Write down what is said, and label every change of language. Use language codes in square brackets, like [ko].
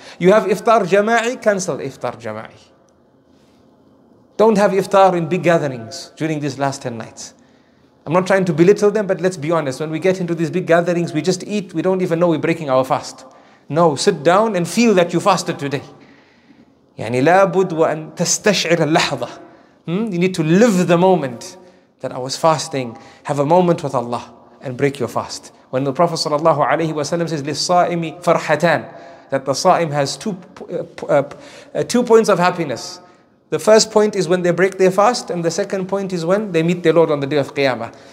[en] You have iftar jama'i, cancel iftar jama'i. Don't have iftar in big gatherings during these last 10 nights. I'm not trying to belittle them, but let's be honest. When we get into these big gatherings, we just eat. We don't even know we're breaking our fast. No, sit down and feel that you fasted today. [ar] يعني لابد وأن تستشعر اللحظة. [en] You need to live the moment that I was fasting. Have a moment with Allah and break your fast. When the Prophet sallallahu alaihi wasallam says, [ar] لِلصَّائِمِ فَرْحَتَانِ, [en] that the Sa'im has two points of happiness. The first point is when they break their fast, and the second point is when they meet their Lord on the day of Qiyamah.